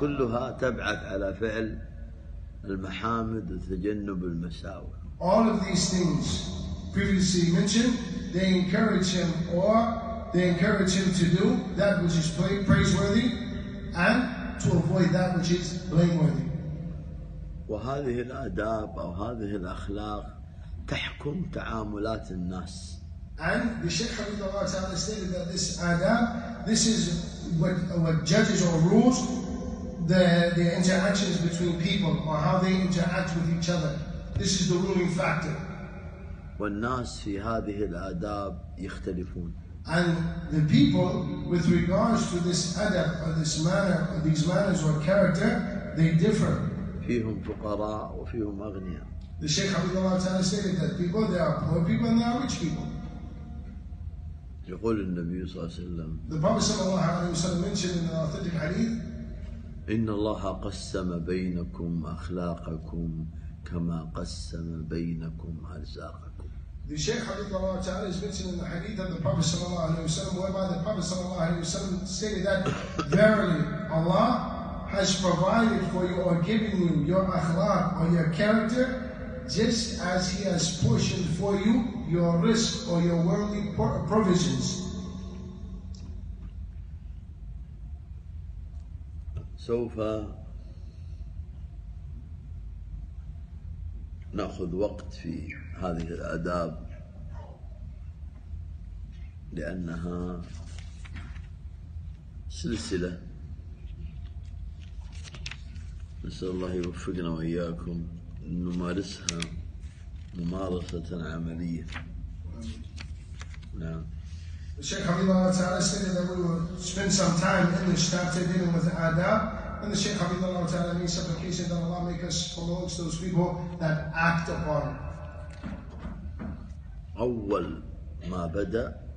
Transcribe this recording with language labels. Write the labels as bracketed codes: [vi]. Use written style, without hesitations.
[ar] كلها تبعث على فعل المحامد وتجنب المساوئ. [en] All of these things previously mentioned, they encourage him to do that which is praiseworthy and to avoid that which is blameworthy. [ar] وهذه الآداب أو هذه الأخلاق تحكم تعاملات الناس. [en] And the Shaykh Abdullah Ta'ala stated that this adab, this is what judges or rules the interactions between people or how they interact with each other. This is the ruling factor. [ar] والناس في هذه الآداب يختلفون. [en] And the people, with regards to this adab or this manner or these manners or character, they differ. [ar] فيهم فقراء وفيهم أغنياء. [en] The Shaykh Abdullah Ta'ala stated that people, there are poor people and there are rich people. [ar] يقول النبي صلى الله عليه وسلم. [en] The Prophet [ar] صلى الله عليه وسلم [en] mentioned in an authentic hadith. [ar] إن الله قسم بينكم أخلاقكم كما قسم بينكم أرزاقكم. [en] The Shaykh Abdullah Ta'ala is mentioned in the hadith of the Prophet [ar] صلى الله عليه وسلم, [en] whereby the Prophet صلى الله عليه وسلم stated that verily Allah has provided for you or given you your akhlaq or your character, just as He has portioned for you your risk or your worldly provisions. [ar] سوف نأخذ وقت في هذه الآداب لأنها سلسلة. نسأل الله يوفقنا وإياكم أن نمارسها ممارسة عملية. نعم. [en] Shaykh Habibullah Ta'ala stated that we will spend some time in the chapter dealing with adab. And the Shaykh Habibullah Ta'ala made supplication that Allah make us amongst those people that act upon it. [ar] أول ما بدأ.